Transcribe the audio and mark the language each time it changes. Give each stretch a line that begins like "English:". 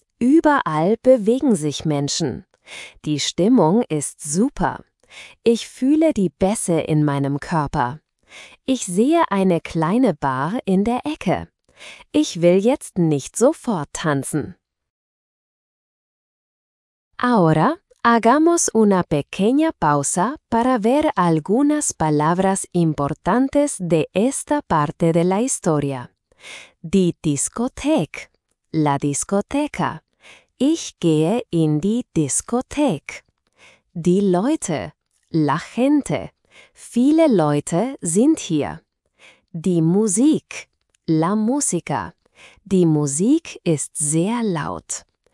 German: Überall bewegen sich Menschen. Die Stimmung ist super. Ich fühle die Bässe in meinem Körper. Ich sehe eine kleine Bar in der Ecke. Ich will jetzt nicht sofort tanzen.
Spanish: Ahora hagamos una pequeña pausa para ver algunas palabras importantes de esta parte de la historia.
German: Die Diskothek.
Spanish: La discoteca.
German: Ich gehe in die Diskothek. Die Leute.
Spanish: La gente.
German: Viele Leute sind hier. Die Musik.
Spanish: La musica.
German: Die Musik ist sehr laut.